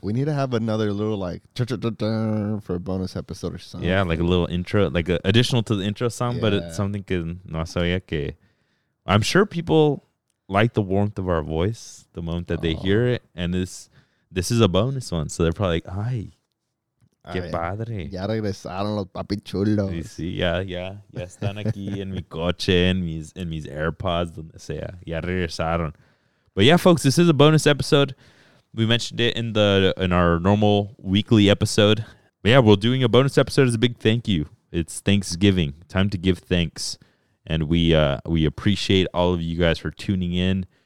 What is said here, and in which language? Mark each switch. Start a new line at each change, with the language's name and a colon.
English: We need to have another little for a bonus episode or something. Yeah, like a little intro, like an additional to the intro song, yeah. But it's something que no sabía que. I'm sure people like the warmth of our voice the moment that they hear it, and this is a bonus one, so they're probably like, ay.
Spanish: Qué padre. Ya regresaron los papi chulos. Sí, sí, ya. Ya están aquí en mi coche, en mis AirPods, donde sea. Ya regresaron.
English: But yeah, folks, this is a bonus episode. We mentioned it in our normal weekly episode. But yeah, we're doing a bonus episode as a big thank you. It's Thanksgiving. Time to give thanks. And we appreciate all of you guys for tuning in.